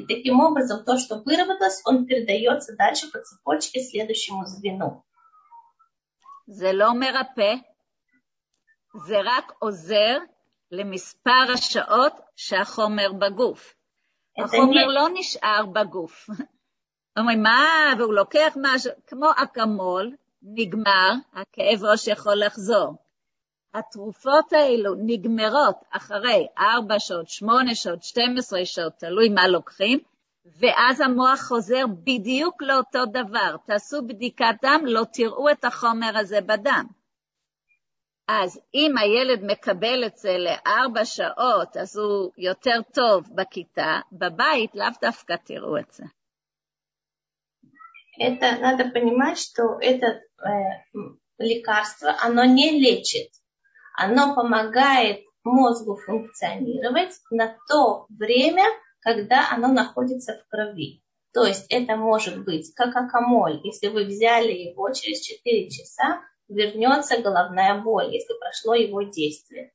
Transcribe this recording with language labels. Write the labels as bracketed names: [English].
[Russian] И таким образом то, что выработалось, он передается дальше по цепочке следующему звену. [Hebrew] זה לא מרפא, זה רק עוזר למספר השעות שהחומר בגוף. החומר לא נשאר בגוף. אומרים, מה? והוא לוקח משהו, כמו אקמול, נגמר, הכאב ראש יכול לחזור. התרופות האלו נגמרות אחרי 4 שעות, 8 שעות, 12 שעות, תלוי מה לוקחים, ואז המוח חוזר בדיוק לאותו דבר. תעשו בדיקת דם, לא תראו את החומר הזה בדם. אז אם הילד מקבל את זה ל4 שעות, אז הוא יותר טוב בכיתה, בבית לאו דווקא תראו את זה. [Russian] Это надо понимать, что это лекарство, оно не лечит. Оно помогает мозгу функционировать на то время, когда оно находится в крови. То есть это может быть как акамоль. Если вы взяли его через 4 часа, вернется головная боль, если прошло его действие.